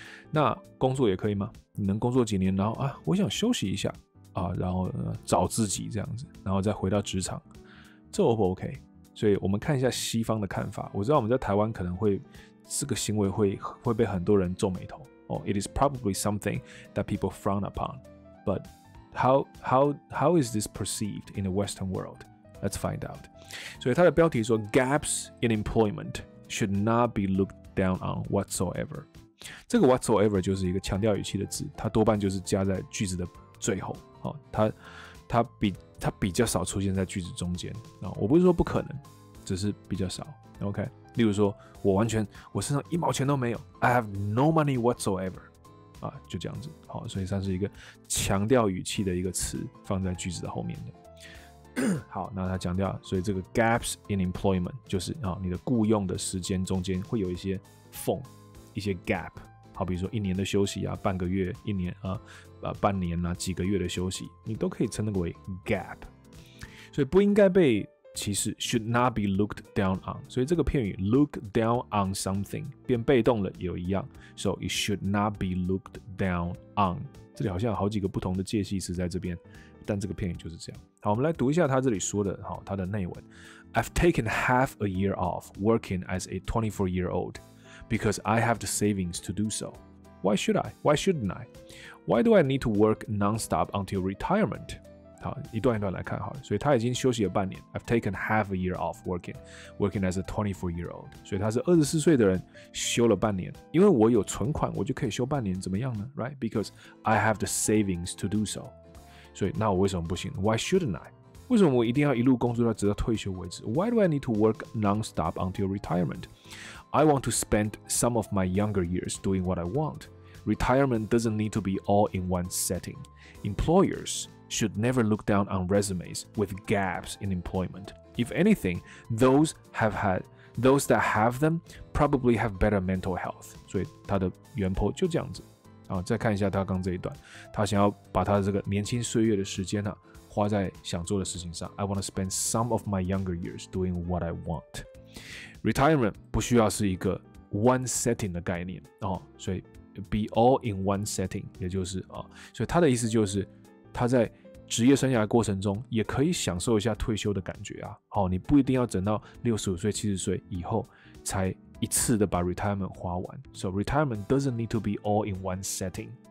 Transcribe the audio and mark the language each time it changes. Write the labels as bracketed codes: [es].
[zh] 那工作也可以吗？你能工作几年，然后啊，我想休息一下啊，然后找自己这样子，然后再回到职场，这 O 不 OK？所以我们看一下西方的看法。我知道我们在台湾可能会这个行为会被很多人皱眉头哦。 [en] Oh, it is probably something that people frown upon. But how is this perceived in the Western world? Let's find out. [zh] 所以它的标题说 [en] ，Gaps in employment should not be looked down on whatsoever. [zh] 这个 whatsoever 就是一个强调语气的字，它多半就是加在句子的最后，哦、它比较少出现在句子中间、哦、我不是说不可能，只是比较少。 OK， 例如说我身上一毛钱都没有 ， [en] I have no money whatsoever， [zh] 啊，就这样子。哦、所以它是一个强调语气的一个词，放在句子的后面的。好，那它强调，所以这个 [en] gaps in employment [zh] 就是、哦、你的雇用的时间中间会有一些缝。一些 gap， 好比说一年的休息啊，半个月、一年啊、半年啊、几个月的休息，你都可以称那个为 gap。所以不应该被歧视 [en] ，should not be looked down on。 [zh] 所以这个片语 [en] look down on something [zh] 变被动了，也有一样。 [en] So it should not be looked down on。 [zh] 这里好像有好几个不同的介系词在这边，但这个片语就是这样。好，我们来读一下他这里说的，好，他的内文。 [en] I've taken half a year off working as a 24-year-old. Because I have the savings to do so. Why should I? Why shouldn't I? Why do I need to work non-stop until retirement? [zh] 好，一段一段来看好了。所以他已经休息了半年。 [en] I've taken half a year off working as a 24-year-old. [zh] 所以他是24岁的人休了半年。因为我有存款，我就可以休半年，怎么样呢？ [en] Right? Because I have the savings to do so. [zh] 所以那我为什么不行？ [en] Why shouldn't I? [zh] 为什么我一定要一路工作到直到退休为止？ [en] Why do I need to work non-stop until retirement? I want to spend some of my younger years doing what I want. Retirement doesn't need to be all in one setting. Employers should never look down on resumes with gaps in employment. If anything, those that have them probably have better mental health. [zh] 所以他的原po就这样子。啊，再看一下他刚这一段，他想要把他的这个年轻岁月的时间啊，花在想做的事情上。 [en] I want to spend some of my younger years doing what I want. [zh] Retirement 不需要是一个 one setting 的概念、哦、所以 [en] be all in one setting [zh] 也就是、哦、所以他的意思就是他在职业生涯的过程中也可以享受一下退休的感觉啊、哦、你不一定要等到65岁70岁以后才一次的把 retirement 花完 [en] So retirement doesn't need to be all in one setting